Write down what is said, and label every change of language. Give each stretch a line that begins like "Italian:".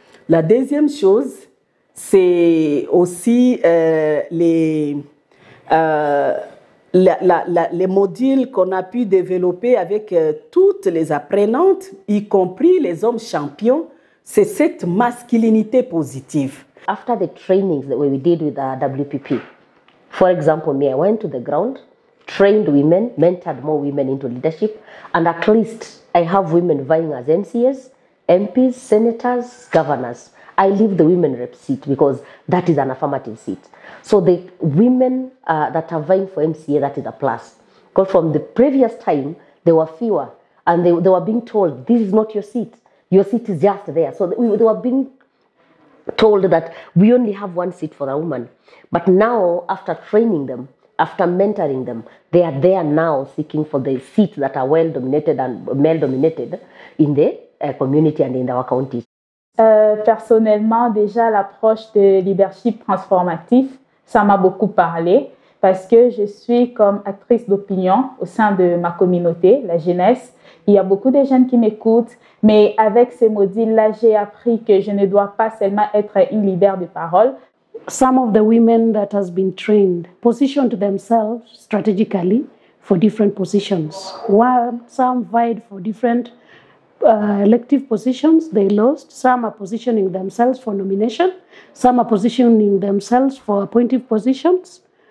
French: La deuxième chose, c'est aussi les modules qu'on a pu développer avec toutes les apprenantes, y compris les hommes champions, c'est cette masculinité positive.
English: After the trainings that we did with our WPP, for example, me, I went to the ground, trained women, mentored more women into leadership, and at least I have women vying as MCAs, MPs, senators, governors. I leave the women rep seat because that is an affirmative seat. So the women that are vying for MCA, that is a plus. Because from the previous time, there were fewer, and they were being told, this is not your seat. Your seat is just there. So they were being told that we only have one seat for a woman. But now, after training them, after mentoring them, they are there now seeking for the seats that are well-dominated and male-dominated in the community and in our county.
French: Personnellement, déjà, l'approche de leadership transformatif, ça m'a beaucoup parlé parce que je suis comme actrice d'opinion au sein de ma communauté, la jeunesse. Il y a beaucoup de jeunes qui m'écoutent, mais avec ce module-là, j'ai appris que je ne dois pas seulement être une leader de parole.
English: Some of the women that has been trained positioned themselves strategically for different positions. While some vied for different elective positions, they lost. Some are positioning themselves for nomination. Some are positioning themselves for appointive positions.